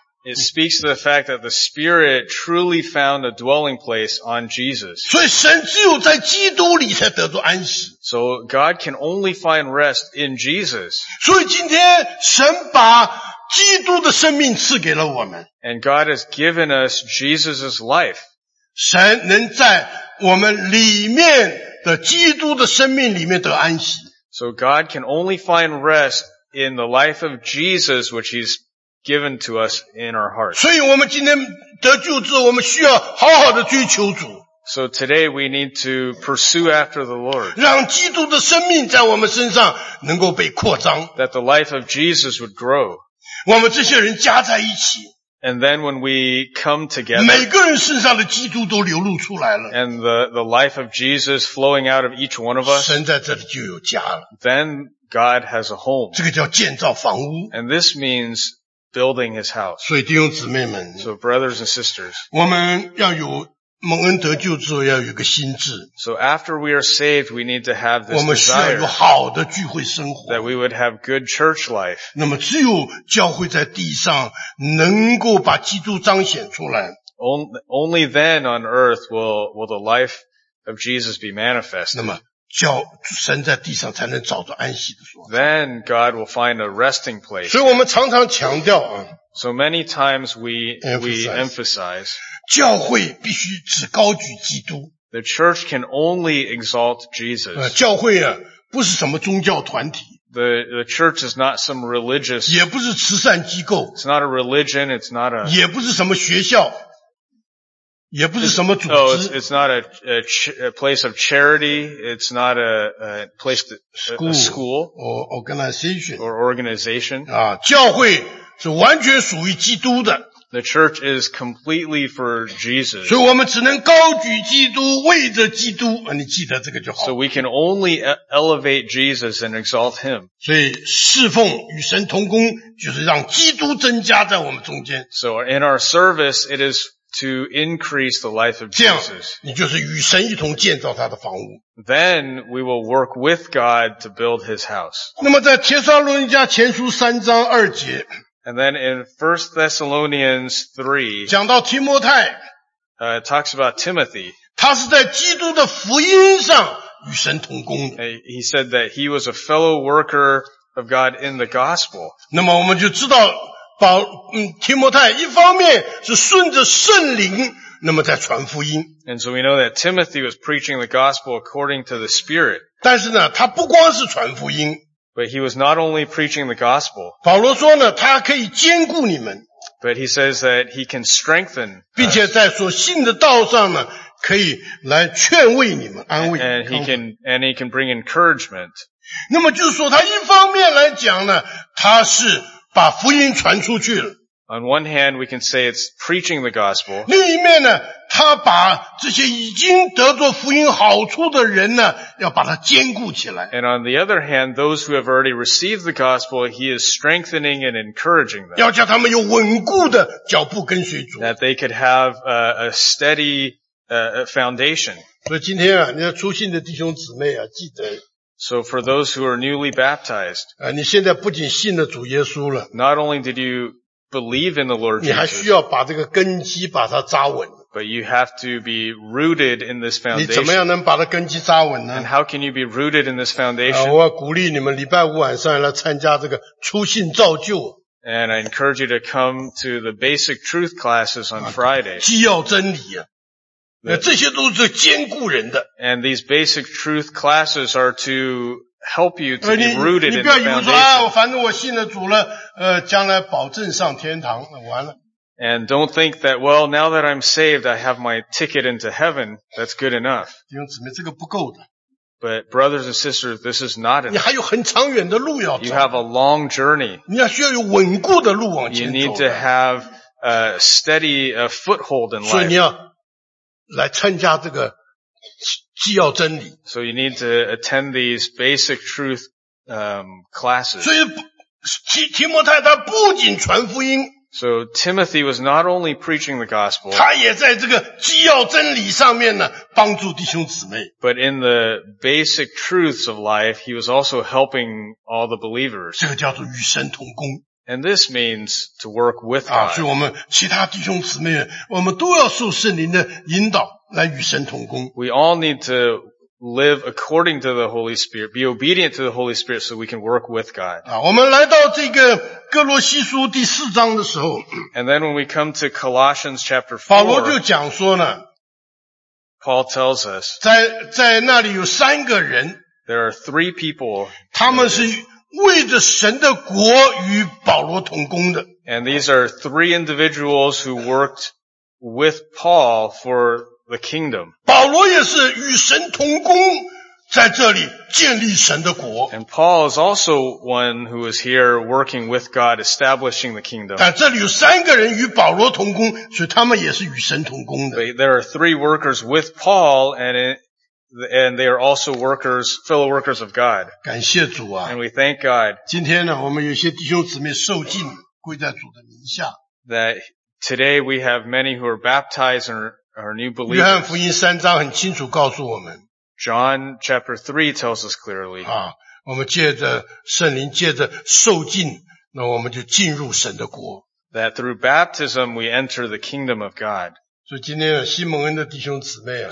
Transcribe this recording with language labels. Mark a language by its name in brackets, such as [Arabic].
[English] It speaks to the fact that the Spirit truly found a dwelling place on Jesus. [Chinese] 所以神只有在基督里才得到安息。 [English] So God can only find rest in Jesus. [Chinese] 所以今天神把基督的生命赐给了我们。 [English] And God has given us Jesus' life. [Chinese] 神能在我们里面的基督的生命里面得安息。 [English] So God can only find rest in the life of Jesus, which he'sgiven to us in our hearts. [Chinese] 所以我们今天得救之后我们需要好好的追求主。 [English] So today we need to pursue after the Lord. [Chinese] 让基督的生命在我们身上能够被扩张。 [English] That the life of Jesus would grow. [Chinese] 我们这些人加在一起。 [English] And then when we come together, [Chinese] 每个人身上的基督都流露出来了。 [English] And the life of Jesus flowing out of each one of us, [Chinese] 神在这里就有家了。 [English] Then God has a home. [Chinese] 这个叫建造房屋。 [English] And this means,building his house. [Chinese] 所以弟兄姊妹们 [English] So brothers and sisters, [Chinese] 我们要有蒙恩得救之后要有个心智 [English] So after we are saved, we need to have this [Chinese] 我们需要有好的聚会生活 [English] that we would have good church life. [Chinese] 那么只有教会在地上能够把基督彰显出来 [English] Only then on earth will the life of Jesus be manifested. [Chinese] 那么叫神在地上才能找到安息的所在。 [English] Then God will find a resting place. [Chinese] 所以我们常常强调啊。 [English] So many times we emphasize. [Chinese] 教会必须只高举基督。 [English] The church can only exalt Jesus. [Chinese] 教会啊不是什么宗教团体。 [English] The church is not some religious. [Chinese] 也不是慈善机构。 [English] It's not a religion, it's not a. [Chinese] 也不是什么学校。也不是什么组织。 [English] Oh, it's not a place of charity. It's not a place to, school. Or organization. Or organization. [Chinese] 啊，教会是完全属于基督的。 [English] The church is completely for Jesus. [Chinese] 所以我们只能高举基督，为着基督。啊，你记得这个就好。 [English] So we can only elevate Jesus and exalt him. [Chinese] 所以侍奉与神同工就是让基督增加在我们中间。 [English] So in our service, it is to increase the life of Jesus. [Chinese] 你就是与神一同建造他的房屋。 [English] Then we will work with God to build his house. [Chinese] 那么在帖撒罗尼迦前书三章二节。 [English] And then in 1 Thessalonians 3, [Chinese] 讲到提摩太, [English] it talks about Timothy. [Chinese] 他是在基督的福音上与神同工。 [English] He said that he was a fellow worker of God in the gospel. [Chinese] 那么我们就知道保提摩太一方面是顺着圣灵那么在传福音。 [English] And so we know that Timothy was preaching the gospel according to the Spirit. [Chinese] 但是呢他不光是传福音。 [English] But he was not only preaching the gospel. [Chinese] 保罗说呢他可以坚固你们。 [English] But he says that he can strengthen. [Chinese] 并且在所信的道上呢可以来劝慰你们安慰。 [English] And he can bring encouragement. [Chinese] 那么就是说他一方面来讲呢他是把福音传出去了。 [English] On one hand, we can say it's preaching the gospel. [Chinese] 另一面呢，他把这些已经得着福音好处的人呢，要把他坚固起来。 [English] And on the other hand, those who have already received the gospel, he is strengthening and encouraging them. [Chinese] 要叫他们有稳固的脚步跟随主。 [English] That they could have a steady foundation. [Chinese] 所以今天啊，你要出信的弟兄姊妹啊，记得 [English] So for those who are newly baptized, [Chinese] 啊, 你现在不仅信了主耶稣了, [English] not only did you believe in the Lord Jesus, [Chinese] 你还需要把这个根基把它扎稳。 [English] But you have to be rooted in this foundation. [Chinese] 你怎么样能把它根基扎稳呢? [English] And how can you be rooted in this foundation? [Chinese] 啊, 我鼓励你们礼拜五晚上来参加这个初信造就。 [English] And I encourage you to come to the basic truth classes on Friday. [Chinese] 基要真理啊。这些都是坚固人的。 [English] And these basic truth classes are to help you to be rooted in the foundation. [Chinese] 你不要以为说啊，反正我信了主了，将来保证上天堂，完了。 [English] And don't think that, well, now that I'm saved, I have my ticket into heaven, that's good enough. [Chinese] 弟兄姊妹，这个不够的。 [English] But brothers and sisters, this is not enough. [Chinese] 你还有很长远的路要走。 [English] You have a long journey. [Chinese] 你要需要有稳固的路往前走。 [English] You need to have a steady foothold in life. [Chinese] 所以你要来参加这个基要真理。 [English] So you need to attend these basic truth classes. [Chinese] 所以提摩太他不仅传福音。 [English] So Timothy was not only preaching the gospel, [Chinese] 他也在这个基要真理上面呢帮助弟兄姊妹。 [English] But in the basic truths of life, he was also helping all the believers. [Chinese] 这个叫做与神同工。 [English] And this means to work with God. [Chinese] 啊，所以我们其他弟兄姊妹，我们都要受圣灵的引导，来与神同工。 [English] We all need to live according to the Holy Spirit, be obedient to the Holy Spirit, so we can work with God. [Chinese] 啊，我们来到这个哥罗西书第四章的时候 [English] ，And then when we come to Colossians chapter 4, [Chinese] 保罗就讲说呢 [English] ，Paul tells us [Chinese] 在那里有三个人 [English] ，There are three people， [Chinese] 他们是。为着神的国与保罗同工的。 [English] And these are three individuals who worked with Paul for the kingdom. [Chinese] 保罗也是与神同工在这里建立神的国。 [English] And Paul is also one who is here working with God establishing the kingdom. [Chinese] 但这里有三个人与保罗同工，所以他们也是与神同工的。 [English] There are three workers with Paul and they are also workers, fellow workers of God. [Chinese] 感谢主啊。 [English] And we thank God. [Chinese] 今天呢我们有些弟兄姊妹受浸归在主的名下。 [English] That today we have many who are baptized and are new believers. [Chinese] 约翰福音三章很清楚告诉我们。 [English] John chapter 3 tells us clearly. [Chinese] 啊，我们借着圣灵借着受浸，那我们就进入神的国。 [English] That through baptism we enter the kingdom of God. [Chinese] 所以今天西蒙恩的弟兄姊妹啊